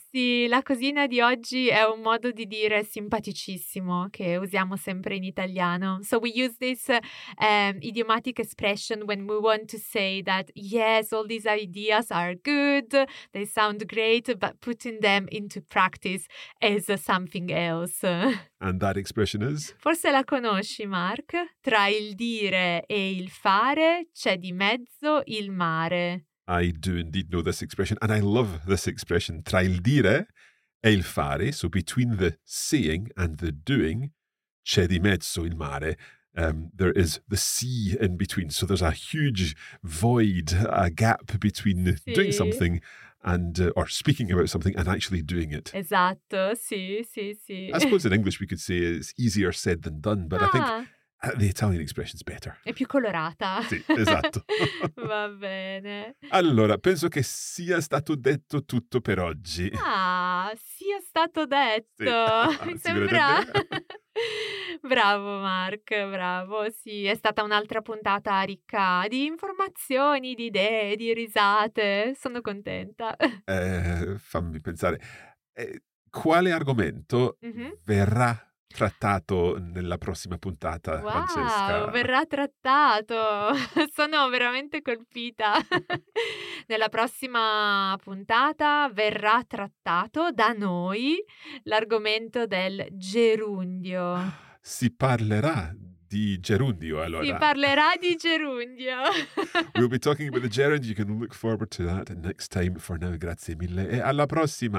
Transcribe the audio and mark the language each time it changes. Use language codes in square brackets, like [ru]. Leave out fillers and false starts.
[it] Sì, la cosina di oggi è un modo di dire simpaticissimo che usiamo sempre in italiano. [en] So we use this idiomatic expression when we want to say that yes, all these ideas are good, they sound great, but putting them into practice is something else. [it] Forse [en] And that expression is? [it] la conosci, Mark? Tra il dire e il fare c'è di mezzo il mare. [en] I do indeed know this expression, and I love this expression. [it] Tra il dire e il fare, [en] so between the saying and the doing, [it] c'è di mezzo il mare. [en] There is the sea in between. So there's a huge void, a gap between [it] sì. [en] doing something and or speaking about something and actually doing it. [it] Esatto, sì, sì, sì. [en] I suppose in English we could say it's easier said than done, but I think the Italian expression is better. [it] È più colorata. Sì, esatto. Va bene. Allora, penso che sia stato detto tutto per oggi. Ah, sia stato detto. Sì. Mi sembra... Bravo Mark, bravo. Sì, è stata un'altra puntata ricca di informazioni, di idee, di risate. Sono contenta. Fammi pensare. Quale argomento verrà trattato nella prossima puntata, wow, Francesca? Verrà trattato. Sono veramente colpita. Nella prossima puntata verrà trattato da noi l'argomento del gerundio. Si parlerà di gerundio, allora. Si parlerà di gerundio. [en] We'll be talking about the gerund. You can look forward to that next time. For now, [it] grazie mille e alla prossima.